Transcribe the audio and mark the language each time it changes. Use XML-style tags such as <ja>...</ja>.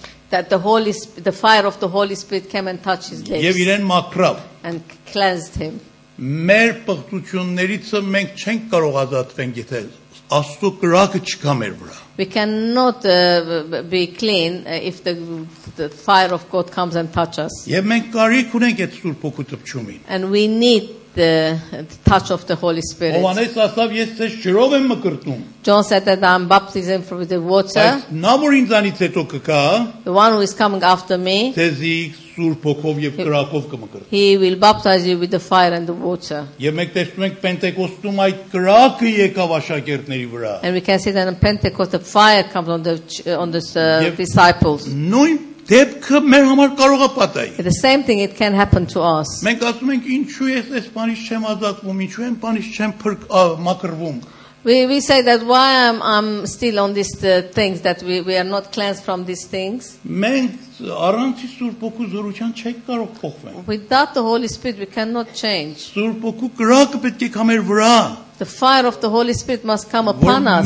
<en>That the fire of the Holy Spirit came and touched his lips and cleansed him.</en> <hy>Մեր պղծություններիցը մենք չենք կարող ազատվենք, եթե Աստծո կրակը չկա մեր վրա.</hy> <en>We cannot be clean if the fire of God comes and touches us.</en> <hy>Եվ մենք կարիք ունենք այդ Սուրբ Հոգու տպչումին.</hy> <en>And we need the touch of the Holy Spirit.</en> <hy>Հովանես ասավ, ես ձեզ ջրով եմ մկրտում.</hy> <en>John said that I'm baptizing from the water.</en> <hy>Բայց նա որ ինձանից հետո կգա,</hy> <en>The one who is coming after me.</en> <hy>Ձեզի Սուրբ Հոգով եւ կրակով կմկրտի.</hy> <en>He will baptize you with the fire and the water.</en> <hy>Եվ մենք տեսնում ենք Պենտեկոստում այդ կրակը եկավ աշակերտների վրա.</hy> <en>And we can see that in Pentecost the fire comes on the disciples.</en> <hy>Նույն դեպքը մեր համար կարող է պատահի.</hy> <en>The same thing it can happen to us.</en> <hy>Մենք ասում ենք ինչու ես այս բանից չեմ ազատվում, ինչու եմ բանից չեմ փրկ մակրվում.</hy> <en>We say that why I'm still on these things that we are not cleansed from these things.</en> <hy>Մենք առանց Սուրբ Հոգու զորության չենք կարող փոխվել.</hy> <en>Without the Holy Spirit we cannot change.</en> <hy>Սուրբ Հոգու կրակը պետք է գա մեր վրա.</hy> <en>The fire of the Holy Spirit must come upon us.</en>